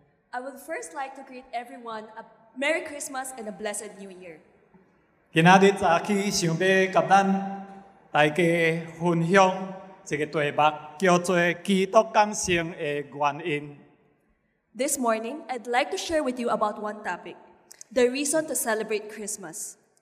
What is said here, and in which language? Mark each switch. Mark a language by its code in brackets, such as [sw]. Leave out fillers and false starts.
[en] I would first like to greet everyone a Merry Christmas and a Blessed New Year. [nan] 今仔日早起想要甲咱大家分享一个题目，叫做基督降生的原因. [en] This morning, I'd like to share with you about one topic, the reason to celebrate Christmas.